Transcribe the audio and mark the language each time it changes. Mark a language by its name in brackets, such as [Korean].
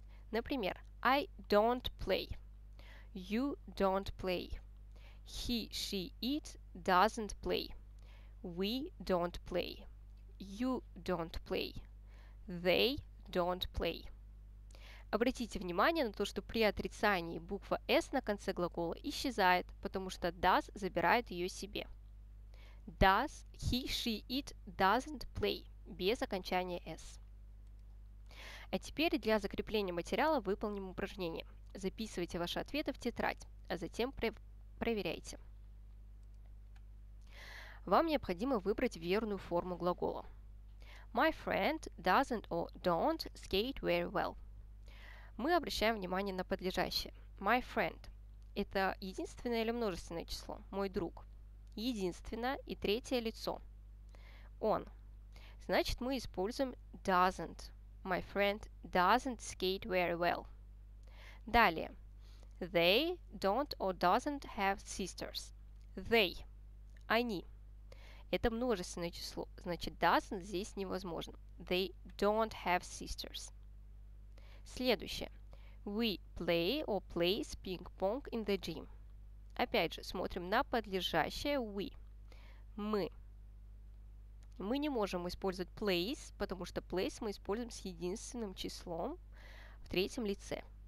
[Russian] Например, [English] I don't play, you don't play, he, she, it doesn't play, we don't play, you don't play, they don't play. [Russian] Обратите внимание на то, что при отрицании буква S на конце глагола исчезает, потому что does забирает ее себе. [English] Does, he, she, it doesn't play [Russian] без окончания S. А теперь для закрепления материала выполним упражнение. Записывайте ваши ответы в тетрадь, а затем проверяйте. Вам необходимо выбрать верную форму глагола. [English] My friend doesn't or don't skate very well. [Russian] Мы обращаем внимание на подлежащее. [English] My friend [Russian] – это единственное или множественное число? Мой друг. Единственное и третье лицо. Он. Значит, мы используем doesn't. [English] My friend doesn't skate very well. [Russian] Далее. [English] They don't or doesn't have sisters. They. [Russian] Они. Это множественное число. Значит, [English] doesn't [Russian] здесь невозможно. [English] They don't have sisters. [Russian] Следующее. [English] We play or plays ping-pong in the gym. [Russian] Опять же, смотрим на подлежащее we. Мы. Мы не можем использовать place, потому что place мы используем с единственным числом в третьем лице.